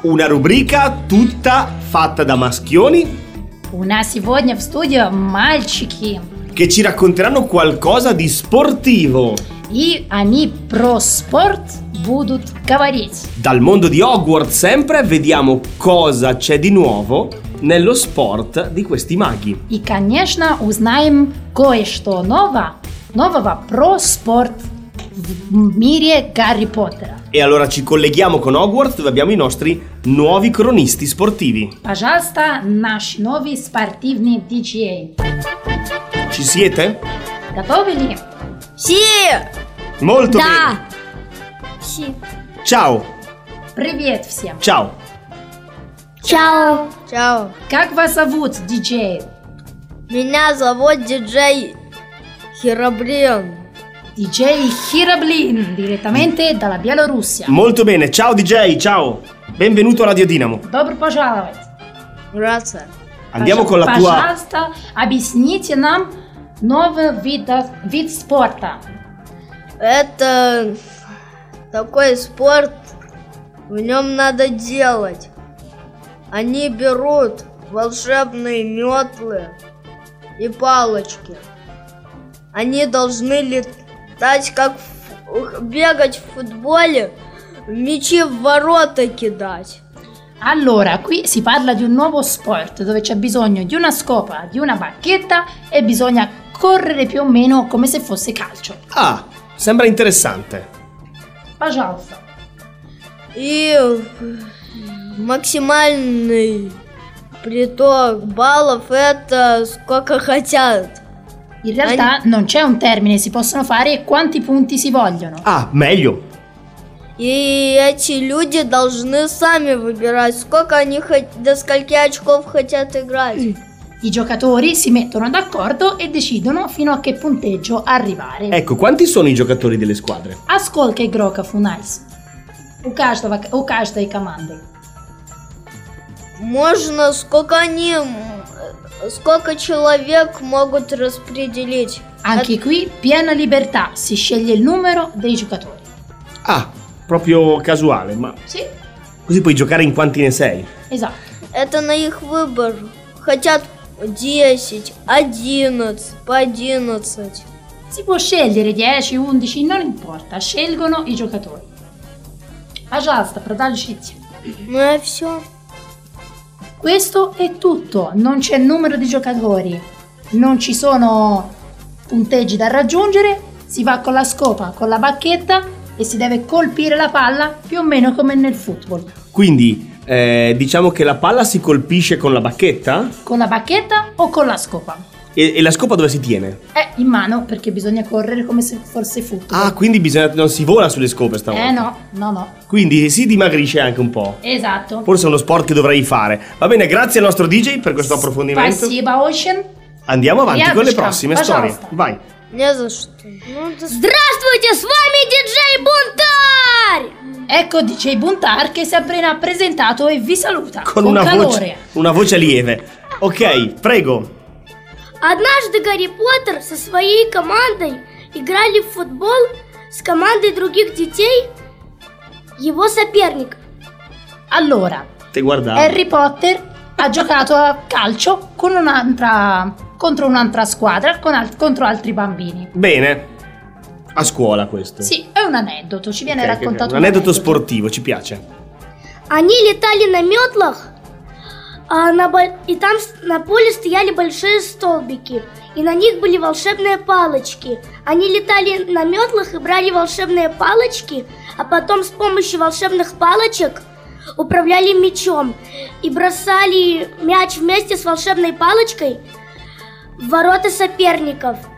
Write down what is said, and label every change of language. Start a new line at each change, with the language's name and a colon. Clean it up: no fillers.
Italian: Una rubrica tutta fatta da maschioni.
Russian: У нас сегодня в студии мальчики.
Italian: Che ci racconteranno qualcosa di sportivo.
Russian: И они про спорт будут говорить.
Italian: Dal mondo di Hogwarts sempre vediamo cosa c'è di nuovo nello sport di questi maghi.
Russian: И, конечно, узнаем кое-что нового про спорт в мире Гарри Поттера.
Italian: E allora ci colleghiamo con Hogwarts, dove abbiamo i nostri nuovi cronisti sportivi.
Russian: Пожалуйста, наши новые спортивные диджеи.
Italian: Ci siete?
Russian: Готовы ли?
Italian: Sì! Molto
Russian: da.
Italian: Bene! Sì! Ciao!
Russian: Привет всем!
Italian: Ciao! Ciao! Ciao!
Russian: Как вас зовут, диджей? Меня зовут диджей Херобрин.
Italian: DJ Хироблин, direttamente dalla Bielorussia. Molto bene, ciao DJ, ciao. Benvenuto a Radio Dinamo.
Russian: Добро пожаловать.
Italian: Grazie. Andiamo con la tua...
Russian: Пожалуйста, объясните нам новый вид спорта. Это такой спорт, в нем надо делать. Они берут волшебные метлы и палочки. Они должны летать. Знаете, как бегать в футболе, мячи в ворота кидать.
Italian: Allora, qui si parla di un nuovo sport dove c'è bisogno di una scopa, di una bacchetta e bisogna correre più o meno come se fosse calcio. Ah, sembra interessante.
Russian: Пожалуйста. Io максимальный приток баллов это сколько хотят.
Italian: In realtà non c'è un termine, si possono fare quanti punti si vogliono. Ah, meglio. E questi
Russian: люди должны сами выбирать, сколько они до скольки очков хотят играть.
Italian: I giocatori si mettono d'accordo e decidono fino a che punteggio arrivare. Ecco, quanti sono i giocatori delle squadre? Ascolta i
Russian: игроков у нас. У каждой команды. Можно сколько они Сколько человек могут распределить?
Italian: Anche qui piena libertà, si sceglie il numero dei giocatori. Ah, proprio casuale, ma sì. Così puoi giocare in quanti ne sei. Esatto.
Russian: Это на их выбор. Хотят 10, 11, по 11.
Italian: Si può scegliere 10, 11, non importa, scelgono i giocatori.
Russian: Пожалуйста, продолжите. Ну и всё.
Italian: Questo è tutto, non c'è numero di giocatori, non ci sono punteggi da raggiungere, si va con la scopa, con la bacchetta e si deve colpire la palla più o meno come nel football. Quindi diciamo che la palla si colpisce con la bacchetta? Con la bacchetta o con la scopa? E la scopa dove si tiene? In mano, perché bisogna correre come se fosse football. Ah, quindi non si vola sulle scope stavolta? No. Quindi si dimagrisce anche un po'. Esatto. Forse è uno sport che dovrei fare. Va bene, grazie al nostro DJ per questo approfondimento.
Russian: Спасибо, Ocean.
Italian: Andiamo avanti con le prossime storie. Vai.
Russian: Здравствуйте, с вами DJ Бунтар!
Italian: Ecco DJ Бунтар che si è appena presentato e vi saluta. Con una voce, lieve. Ok, prego.
Russian: Однажды Гарри Поттер со своей командой играли в футбол с командой других детей его соперник.
Italian: Allora, ti guardavo. Harry Potter ha giocato a calcio con un'altra contro un'altra squadra contro altri bambini. Bene. A scuola questo. Sì, è un aneddoto, ci viene raccontato. Un aneddoto sportivo, ci piace.
Russian: Они летали на метлах. И там на поле стояли большие столбики, и на них были волшебные палочки. Они летали на метлах и брали волшебные палочки, а потом с помощью волшебных палочек управляли мячом и бросали мяч вместе с волшебной палочкой в ворота соперников.